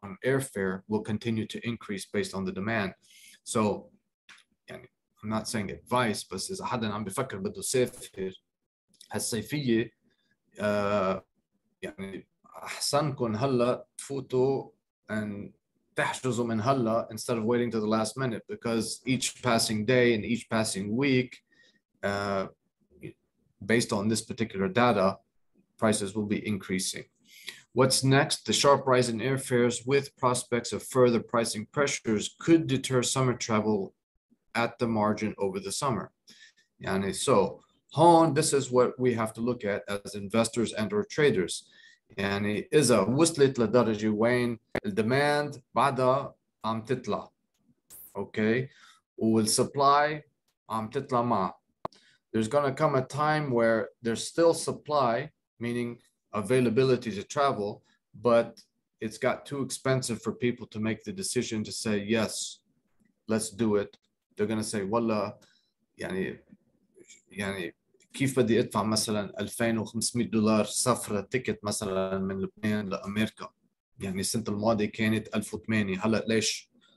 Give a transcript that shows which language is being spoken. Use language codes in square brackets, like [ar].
[en] airfare will continue to increase based on the demand so يعني, I'm not saying advice but [ar] إذا حدا عم بفكر بده يسافر هالصيفية يعني أحسنكم هلأ تفوتوا [en] and [ar] تحجزوا من هلأ [en] instead of waiting to the last minute because each passing day and each passing week based on this particular data prices will be increasing. What's next? The sharp rise in airfares with prospects of further pricing pressures could deter summer travel at the margin over the summer. يعني so هون, this is what we have to look at as investors and or traders. [ar] يعني إذا وصلت لدرجة وين الديماند بعدها عم تطلع. Okay. والسبلاي عم تطلع مع. [en] There's going to come a time where there's still supply, meaning availability to travel, but it's got too expensive for people to make the decision to say, yes, let's do it. They're going to say, [ar] والله, يعني, كيف بدي ادفع مثلا 2500 دولار سفره تيكت مثلا من لبنان لامريكا يعني السنه الماضيه كانت 1008 هلا ليش